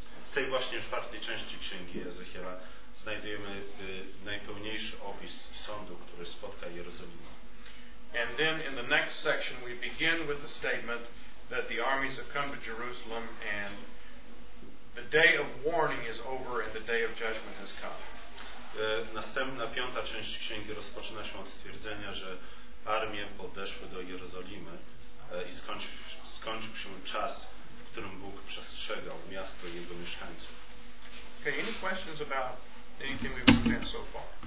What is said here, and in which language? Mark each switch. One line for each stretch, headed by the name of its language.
Polish: W tej właśnie czwartej części Księgi Ezechiela znajdujemy najpełniejszy opis sądu, który spotka Jerozolimę.
English: And then in the next section we begin with the statement that the armies have come to Jerusalem and the day of warning is over and the day of judgment has come.
Polish: Następna, piąta część Księgi rozpoczyna się od stwierdzenia, że armie podeszły do Jerozolimy i skończył się czas, którym Bóg przestrzegał miasto i jego mieszkańców.
English: Okay, any questions about anything we've looked at so far?